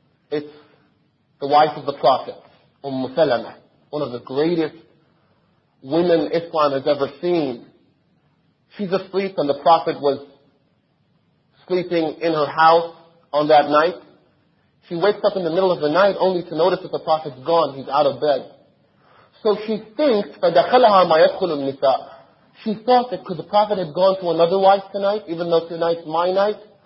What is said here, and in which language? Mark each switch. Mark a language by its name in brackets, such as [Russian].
[English] It's the wife of the Prophet, Umm Salama, one of the greatest women Islam has ever seen. She's asleep and the Prophet was sleeping in her house on that night. She wakes up in the middle of the night only to notice that the Prophet's gone, he's out of bed. So she thinks, [Arabic] فَدَخَلَهَا مَا يَدْخُلُ النِّسَاءَ. [English] She thought that could the Prophet have gone to another wife tonight, even though tonight's my night?